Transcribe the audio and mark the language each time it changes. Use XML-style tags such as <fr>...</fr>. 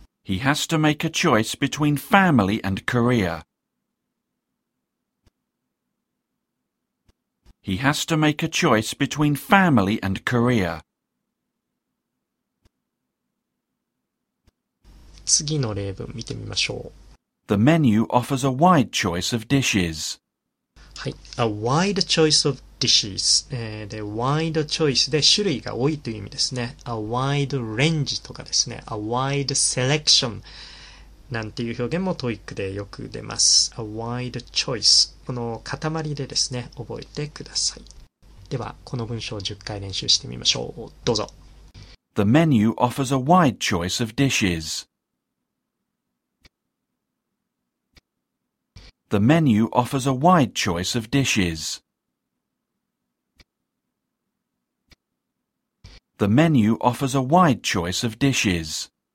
<en>He has to make a choice between family and career. He has to make a choice between family and career.</en> <ja>次の例文見てみましょう。</ja> <en>The menu offers a wide choice of dishes.</en> <ja>はい、</ja> <en>a wide choice of dishes.</en> <ja>で、wide choice で種類が多いという意味ですね。</ja> <en>a wide range</en> <ja>とかですね。</ja> <en>a wide selection</en> <ja>なんていう表現もTOEICでよく出ます。</ja> <en>a wide choice。</en> <ja>この塊でですね、覚えてください。では、この文章を10回練習してみましょう。どうぞ。</ja> <en>The menu offers a wide choice of dishes. The menu offers a wide choice of dishes. The menu offers a wide choice of dishes.</en>